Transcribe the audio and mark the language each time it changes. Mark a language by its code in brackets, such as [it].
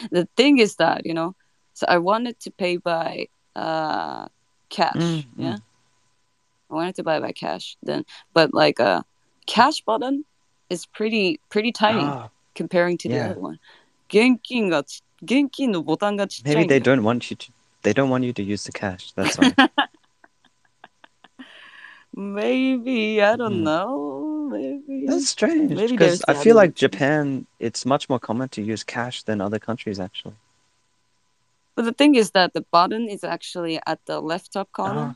[en] The thing is that, you know, so I wanted to pay by cash, I wanted to buy by cash then. But like a cash button is pretty, pretty tiny. Comparing to the other one. [ja] 現金のボタンがちっちゃい。 [en] Maybe they don't want you to use the cash. That's why. Maybe, I don't know. Maybe. That's strange. Because I feel like Japan, it's much more common to use cash than other countries, actually. But the thing is that the button is actually at the left top corner.